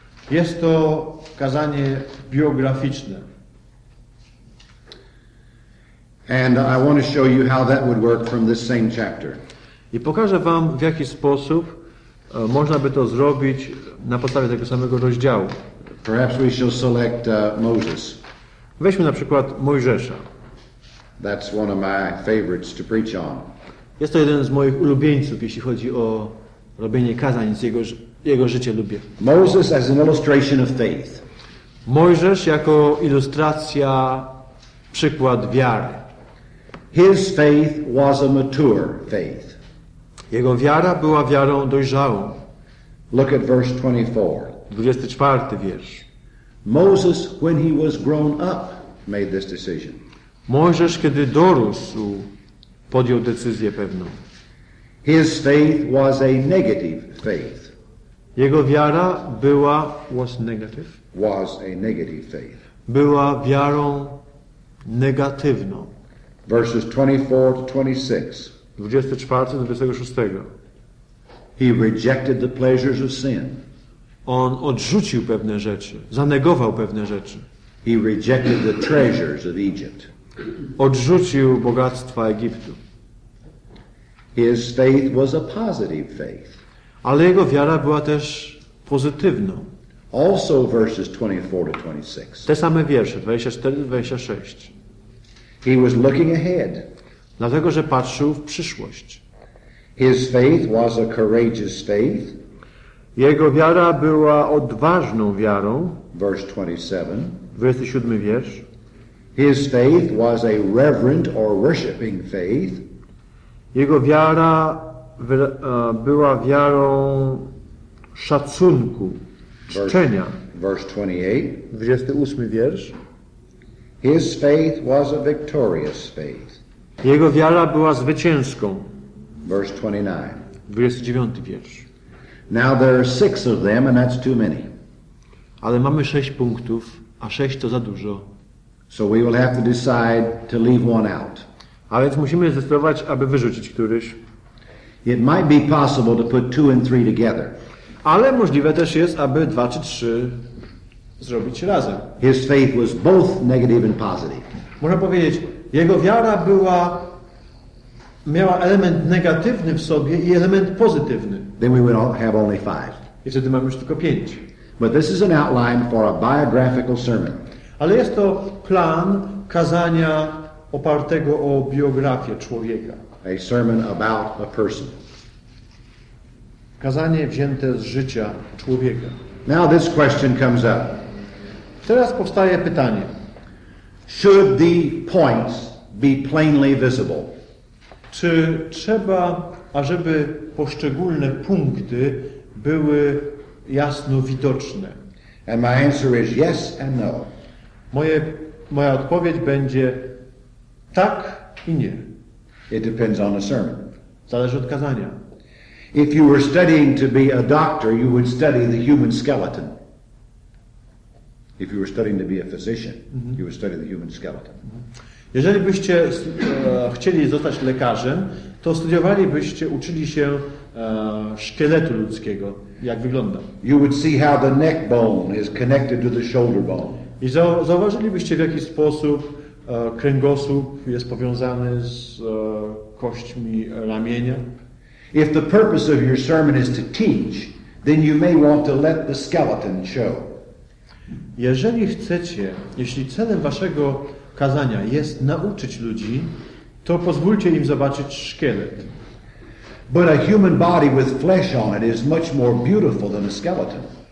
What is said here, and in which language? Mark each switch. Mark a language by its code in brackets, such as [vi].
[pl] Jest to kazanie biograficzne. [en] And I want to show you how that would work from this same chapter. [pl] I pokażę wam w jaki sposób można by to zrobić na podstawie tego samego rozdziału. [en] Perhaps we shall select Moses. [pl] Weźmy na przykład Mojżesza. [en] That's one of my favorites to preach on. [pl] Jest to jeden z moich ulubieńców, jeśli chodzi o robienie kazań z jego życia lubię. [en] Moses as an illustration of faith. [pl] Mojżesz jako ilustracja, przykład wiary. [en] His faith was a mature faith. [pl] Jego wiara była wiarą dojrzałą. [en] Look at verse 24. [pl] 24 wiersz. [en] Moses, when he was grown up, made this decision. [pl] Mojżesz, kiedy dorósł, podjął decyzję pewną. [en] His faith was a negative faith. [pl] Jego wiara była [en] was negative. Was a negative faith. [pl] Była wiarą negatywną. [en] Verses 24 to 26. [pl] 24 do 26. [en] He rejected the pleasures of sin. [pl] On odrzucił pewne rzeczy, zanegował pewne rzeczy. [en] He rejected the treasures of Egypt. [pl] Odrzucił bogactwa Egiptu. [en] His faith was a positive faith. [pl] Ale jego wiara była też pozytywną. [en] Also verses 24 to 26. [pl] Te same wiersze, 24-26. [en] He was looking ahead. [pl] Dlatego, że patrzył w przyszłość. [en] His faith was a courageous faith. [pl] Jego wiara była odważną wiarą. [en] Verse 27. [pl] 27 wiersz. [en] His faith was a reverent or worshiping faith. [pl] Jego wiara była wiarą szacunku, czczenia. [en] Verse 28. [pl] 28 wiersz. [en] His faith was a victorious faith. [pl] Jego wiara była zwycięską. [en] Verse 29. [pl] 29 wiersz. [en] Now there are six of them, and that's too many. [pl] Ale mamy sześć punktów, a sześć to za dużo. [en] So we will have to decide to leave one out. [pl] A więc musimy zdecydować, aby wyrzucić któryś. [en] It might be possible to put two and three together. [pl] Ale możliwe też jest, aby dwa czy trzy zrobić razem. [en] His faith was both negative and positive. [pl] Można powiedzieć, jego wiara była miała element negatywny w sobie i element pozytywny. [en] Then we would have only five. [pl] I wtedy mamy już tylko pięć. [en] But this is an outline for a biographical sermon. [pl] Ale jest to plan kazania opartego o biografię człowieka. [en] A sermon about a person. [pl] Kazanie wzięte z życia człowieka. [en] Now this question comes up. [pl] Teraz powstaje pytanie. [en] Should the points be plainly visible? [pl] Czy trzeba, ażeby poszczególne punkty były jasno widoczne? [en] And my answer is yes and no. [pl] Moja odpowiedź będzie tak i nie. [en] It depends on the sermon. [pl] Zależy od kazania. [en] If you were studying to be a doctor, you would study the human skeleton. If you were studying to be a physician, you would study the human skeleton. [pl] Jeżeli byście chcieli zostać lekarzem, to studiowalibyście, uczyli się szkieletu ludzkiego, jak wygląda. [en] You would see how the neck bone is connected to the shoulder bone. [pl] I zauważylibyście, w jaki sposób kręgosłup jest powiązany z kośćmi ramienia. [en] If the purpose of your sermon is to teach, then you may want to let the skeleton show. [pl] Jeżeli chcecie, jeśli celem waszego kazania jest nauczyć ludzi, to pozwólcie im zobaczyć szkielet. [en] But a human body with flesh on it is much more beautiful than a skeleton.